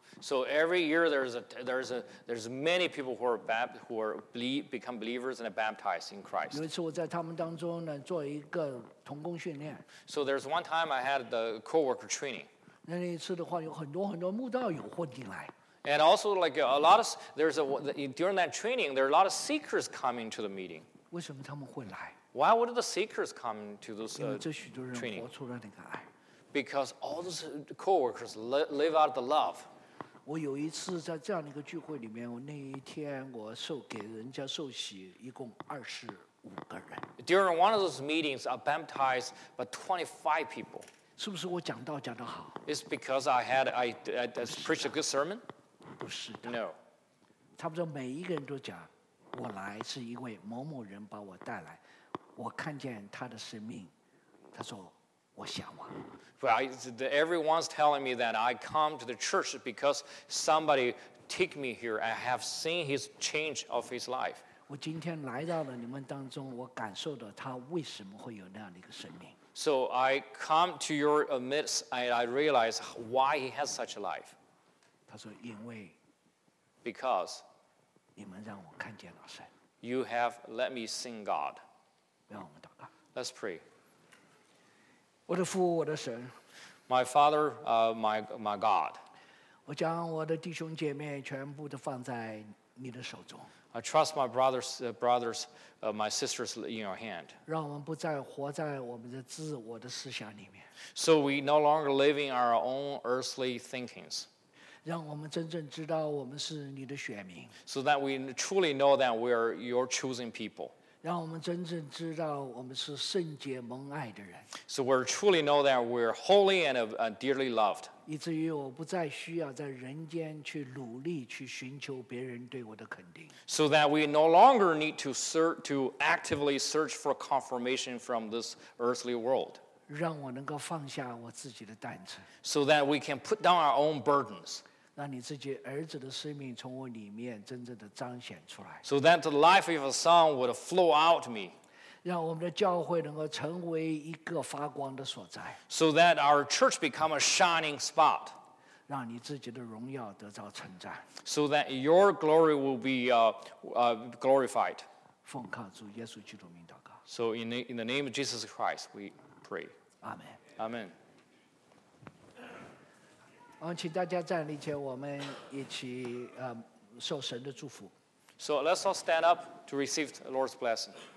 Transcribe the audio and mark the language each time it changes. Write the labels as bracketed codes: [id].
[en] So every year there's many people who become believers and are baptized in Christ. [zh] 有一次我在他们当中呢做一个同工训练。 [en] So there's one time I had the coworker training. [zh] 那一次的话，有很多很多慕道友混进来。 [en] And also, like a lot of there's a during that training, there are a lot of seekers coming to the meeting. [zh] 为什么他们会来 [en] ？Why would the seekers come to those training? [zh] 因为这许多人活出了那个爱。 [en] Because all those coworkers live out the love. [zh] 我有一次在这样的一个聚会里面，我那一天我受给人家受洗，一共25个人。 [en] During one of those meetings, I baptized about 25 people. [zh] 是不是我讲道讲得好 [en] ？It's because I preached a good sermon. [zh] 不是的。 [en] No. [zh] 差不多每一个人都讲，我来是因为某某人把我带来，我看见他的生命，他说我向往。 [en] Well, everyone's telling me that I come to the church because somebody took me here. I have seen his change of his life. [zh] 我今天来到了你们当中，我感受到他为什么会有那样的一个生命。 [en] So I come to your midst and I realize why he has such a life. [zh] 他说因为 [en] Because [zh] 你们让我看见了神 [en] You have let me see God. [zh] 让我们祷告 [en] Let's pray. [zh] 我的父我的神 [en] My father, my God. [zh] 我将我的弟兄姐妹全部都放在你的手中。 [en] I trust my brothers, my sisters in your hand. [zh] 让我们不再活在我们的自我的思想里面。 [en] So we no longer live in our own earthly thinkings. [zh] 让我们真正知道我们是你的选民。 [en] So that we truly know that we are your chosen people. [zh] 让我们真正知道我们是圣洁蒙爱的人。 [en] So we truly know that we are holy and dearly loved. [zh] 以至于我不再需要在人间去努力去寻求别人对我的肯定。 [en] So that we no longer need to actively search for confirmation from this earthly world. [zh] 让我能够放下我自己的担子。 [en] So that we can put down our own burdens. [zh] 让你自己儿子的生命从我里面真正的彰显出来。 [en] So that the life of a son would flow out me. [zh] 让我们的教会能够成为一个发光的所在。 [en] So that our church become a shining spot. [zh] 让你自己的荣耀得到称赞。 [en] So that your glory will be glorified. [zh] 奉靠主耶稣基督名祷告。 [en] So in the name of Jesus Christ, we pray. Amen. Amen. [zh] 请大家站立前我们一起受神的祝福。 [en] So let's all stand up to receive the Lord's blessing.